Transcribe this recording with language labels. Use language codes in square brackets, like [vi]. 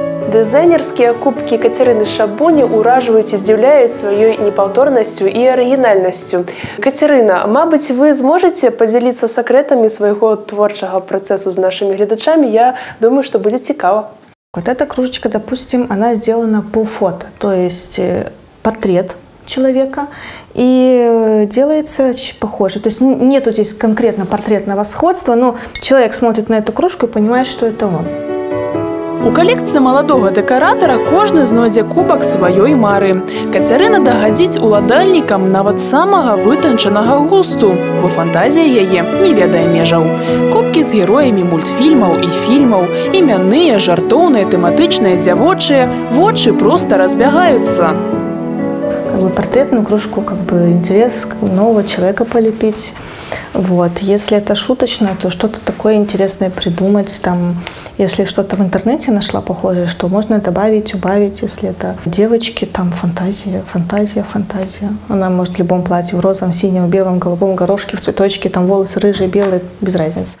[be] Дызайнерскія кубкі Кацярыны Шабуні ўражваюць і здзіўляюць сваёй непаўторнасцю і арыгінальнасцю. Кацярына, мабыць, вы зможаце падзяліцца сакрэтамі свайго творчага працэсу з нашымі гледачамі? Я думаю, што будзе цікава. [ru] Вот эта кружечка, допустим, она сделана по фото, то есть портрет человека, и делается очень похоже. То есть нету здесь конкретно портретного сходства, но человек смотрит на эту кружку и понимает, что это он. [be] У калекцыі маладога дэкаратара кожны знойдзе кубак сваёй мары. Кацярына дагадзіць уладальнікам нават самага вытанчанага густу, бо фантазія яе не ведае межаў. Кубкі з героямі мультфільмаў і фільмаў, імянныя, жартоўныя, тэматычныя, дзявочыя, вочы проста разбягаюцца. Партрэтную кружку, інтарэс нового чалавека паліпіць. Вот. [ru] Если это шуточное, то что-то такое интересное придумать. Там, если что-то в интернете нашла похожее, что можно добавить, убавить. Если это девочки, там фантазия, фантазия, фантазия. Она может в любом платье, в розовом, синем, белом, голубом, горошке, в цветочке, там волосы рыжие, белые, без разницы.